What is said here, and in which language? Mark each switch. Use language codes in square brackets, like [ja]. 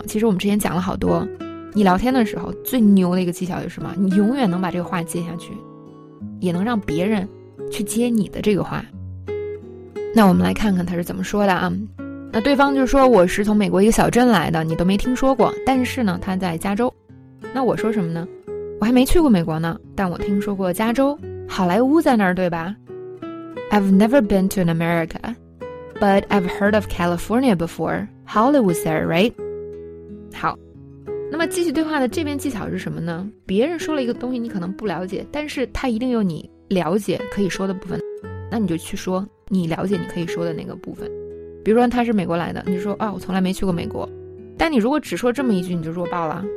[zh] 其实我们之前讲了好多，你聊天的时候最牛的一个技巧是什么？你永远能把这个话接下去，也能让别人去接你的这个话。那我们来看看他是怎么说的啊。那对方就说，我是从美国一个小镇来的，你都没听说过，但是呢他在加州。那我说什么呢？我还没去过美国呢，但我听说过加州，好莱坞在那儿，对吧？ [en] I've never been to an America, but I've heard of California before. Hollywood's there, right? [zh] 好，那么继续对话的这边技巧是什么呢？别人说了一个东西你可能不了解，但是他一定有你了解可以说的部分，那你就去说你了解你可以说的那个部分。比如说他是美国来的，你说啊，我从来没去过美国，但你如果只说这么一句你就弱爆了。